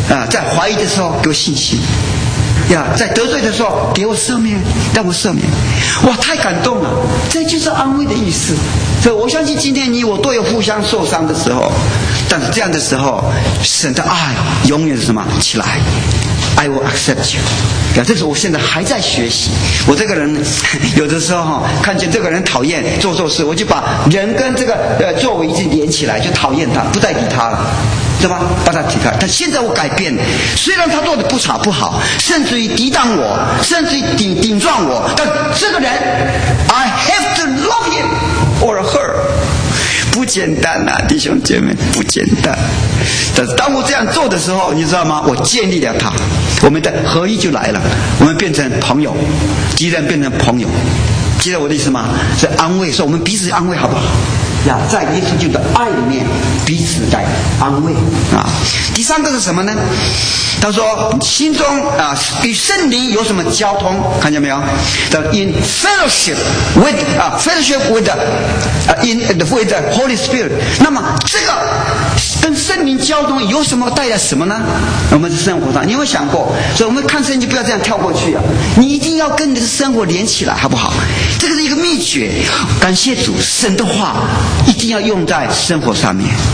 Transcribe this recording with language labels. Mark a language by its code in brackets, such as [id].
[zh] 在怀疑的时候给我信心。在得罪的时候给我赦免，让我赦免，哇，太感动了，这就是安慰的意思。所以我相信今天你我都有互相受伤的时候，但是这样的时候神的爱永远是什么？起来， [en] I will accept you。 [zh] 这是我现在还在学习，我这个人有的时候看见这个人讨厌做错事，我就把人跟这个作为一直连起来，就讨厌他，不再理他了，对吧？把他提开。但现在我改变，虽然他做的不好，甚至于抵挡我，甚至于顶撞我，但这个人 [en] I have to love him or her， [zh] 不简单啊，弟兄姐妹，不简单。但是当我这样做的时候，你知道吗？我建立了他，我们的合一就来了，我们变成朋友，敌人变成朋友，记得我的意思吗？是安慰，说我们彼此安慰好不好？在耶稣基督的爱里面彼此在安慰第三个是什么呢？他说心中与圣灵有什么交通，看见没有？ [en] In fellowship with fellowship with the in with the Holy Spirit。 [zh] 那么这个跟圣灵交通有什么带来什么呢？我们的生活上，你有没有想过？所以我们看圣经不要这样跳过去啊！你一定要跟你的生活连起来，好不好？这个是一个秘诀。感谢主，神的话一定要用在生活上面。